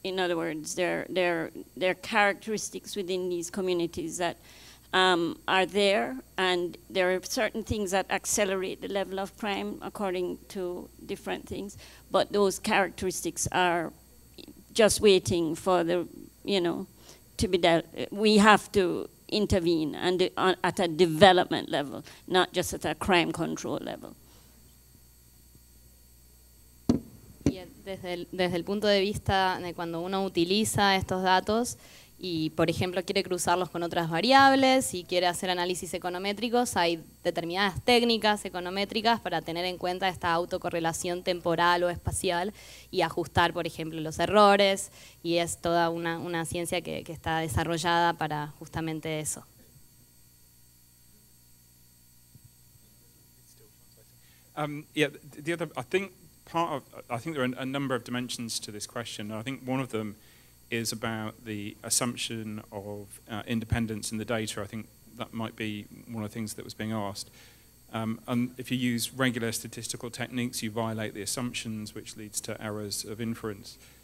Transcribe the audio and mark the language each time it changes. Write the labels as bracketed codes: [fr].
[en] In other words, they're characteristics within these communities that are there, and there are certain things that accelerate the level of crime according to different things, but those characteristics are just waiting for the, you know, to be dealt. We have to intervene and at a development level, not just at a crime control level. [es] Desde el punto de vista de cuando uno utiliza estos datos y, por ejemplo, quiere cruzarlos con otras variables y quiere hacer análisis econométricos, hay determinadas técnicas econométricas para tener en cuenta esta autocorrelación temporal o espacial y ajustar, por ejemplo, los errores, y es toda una ciencia que está desarrollada para justamente eso. [en] I think there are a number of dimensions to this question. I think one of them is about the assumption of independence in the data. I think that might be one of the things that was being asked. And if you use regular statistical techniques, you violate the assumptions, which leads to errors of inference.